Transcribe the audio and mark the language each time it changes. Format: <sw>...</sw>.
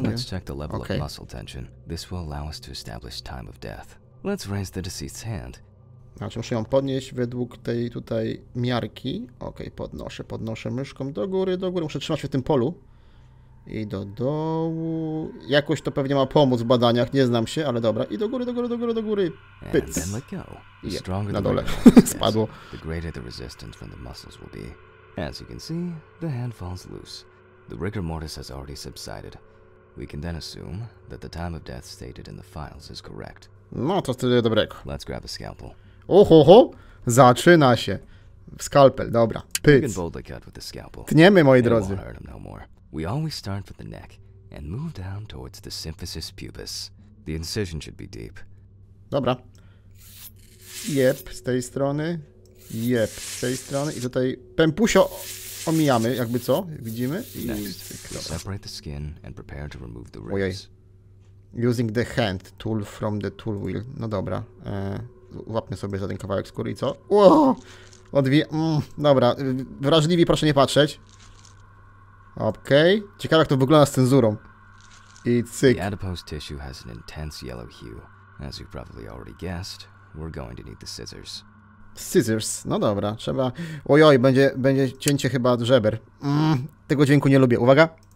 <en>Now let's check the level of muscle tension. This will allow us to establish time of death. Let's raise the deceased's hand.</en> <pl>Znaczy muszę ją podnieść według tej tutaj miarki. Okej, podnoszę myszką do góry. Muszę trzymać się w tym polu. I do dołu. Jakoś to pewnie ma pomóc w badaniach, nie znam się, ale dobra. I do góry. Pyc. Yeah, na dole. Spadło.</pl> <en>The greater the resistance from the muscles will be. As you can see, the hand falls loose. The rigor mortis has already subsided. We can then assume that the time of death stated in the files is correct.</en> <pl>No to wtedy dobrego.</pl> <en>Let's grab a scalpel.</en> <pl>Ohoho! Zaczyna się. Skalpel, dobra. Pyc.</pl> <en>You can boldly cut with the scalpel.</en> <pl>Tniemy, moi drodzy.</pl> <en>It won't hurt him no more. We always start with the neck and move down towards the symphysis pubis. The incision should be deep.</en> <pl>Dobra. Jep, z tej strony. Jep, z tej strony. I tutaj pępusio omijamy, jakby co, widzimy.</pl> <en>Next, separate the skin and prepare to remove the ribs.</en> <pl>Ojej.</pl> <en>Using the hand tool from the tool wheel.</en> <pl>No dobra. Łapmy sobie za ten kawałek skóry i co? Ło! Odwi... dobra, wrażliwi proszę nie patrzeć. Okej. Okay. Ciekawe jak to wygląda z cenzurą. I cyk.</pl> <en>The adipose tissue has an intense yellow hue. As you probably already guessed, we're going to need the scissors.</en> <pl>Scissors, no dobra, trzeba... Ojoj, będzie cięcie chyba od żeber. Tego dźwięku nie lubię, uwaga.</pl>